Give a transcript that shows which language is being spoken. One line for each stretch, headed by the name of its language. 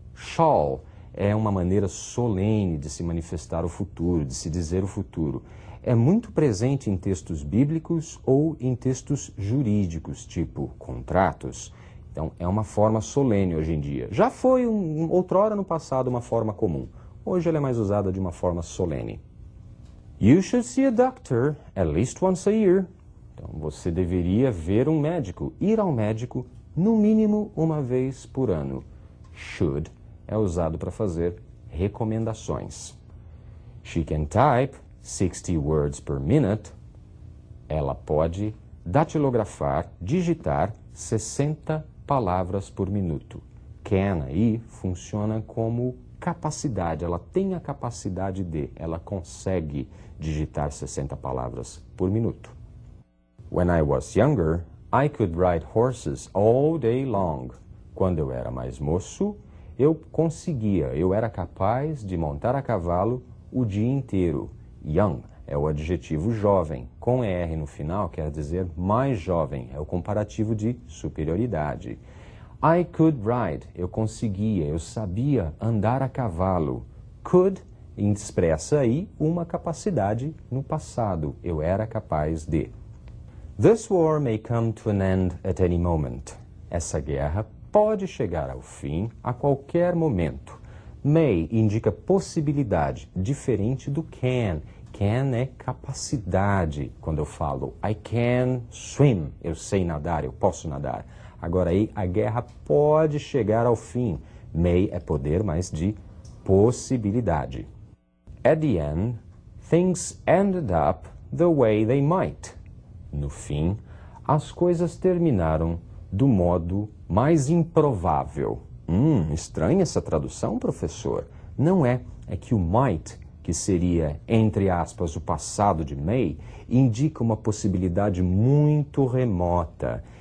Portuguese: Shall é uma maneira solene de se manifestar o futuro, de se dizer o futuro. É muito presente em textos bíblicos ou em textos jurídicos, tipo contratos. Então, é uma forma solene hoje em dia. Já foi, outrora no passado, uma forma comum. Hoje ela é mais usada de uma forma solene.
English: You should see a doctor at least once a year.
Portuguese: Então, você deveria ver um médico, ir ao médico, no mínimo uma vez por ano. Should é usado para fazer recomendações.
English: She can type 60 words per minute.
Portuguese: Ela pode datilografar, digitar 60 palavras por minuto. Can aí funciona como capacidade, ela tem a capacidade de, ela consegue digitar 60 palavras por minuto.
English: When I was younger, I could ride horses all day long.
Portuguese: Quando eu era mais moço, eu conseguia, eu era capaz de montar a cavalo o dia inteiro. Young é o adjetivo jovem, com ER no final quer dizer mais jovem, é o comparativo de superioridade.
English: I could ride,
Portuguese: eu conseguia, eu sabia andar a cavalo. Could expressa aí uma capacidade no passado, eu era capaz de.
English: This war may come to an end at any moment.
Portuguese: Essa guerra pode chegar ao fim a qualquer momento. May indica possibilidade, diferente do can. Can é capacidade. Quando eu falo
English: I can swim,
Portuguese: eu sei nadar, eu posso nadar. Agora aí, a guerra pode chegar ao fim. May é poder, mas de possibilidade.
English: At the end, things ended up the way they might.
Portuguese: No fim, as coisas terminaram do modo mais improvável. Estranha essa tradução, professor. Não é, é que o might, que seria, entre aspas, o passado de May, indica uma possibilidade muito remota.